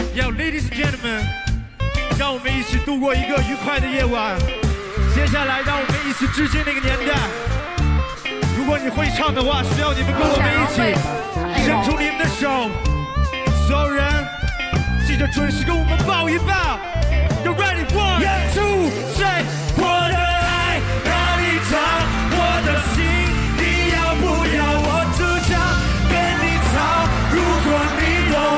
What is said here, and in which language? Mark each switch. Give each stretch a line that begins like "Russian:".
English: Yo, ladies and gentlemen,
Chinese: 让我们一起度过一个愉快的夜晚，接下来让我们一起致敬那个年代，如果你会唱的话，需要你们跟我们一起伸出你们的手，所有人记得准时跟我们抱一抱。
English: You're ready, one, yeah, two, three.
Chinese: 我的爱让你唱，我的心你要不要，我只想跟你唱，如果你懂